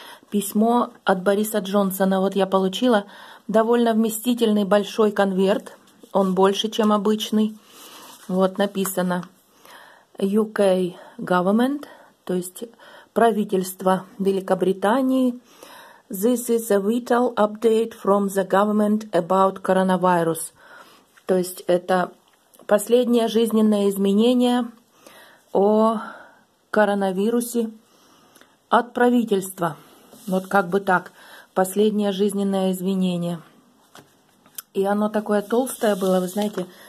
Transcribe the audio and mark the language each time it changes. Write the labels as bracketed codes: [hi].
[ru] Письмо от Бориса Джонсона. Вот я получила довольно вместительный большой конверт. Он больше, чем обычный. Вот написано UK Government, то есть правительство Великобритании. [en] This is a vital update from the government about coronavirus. [ru] То есть это последнее жизненное изменение о коронавирусе от правительства. Вот как бы так. Последнее жизненное изменение. И оно такое толстое было, вы знаете.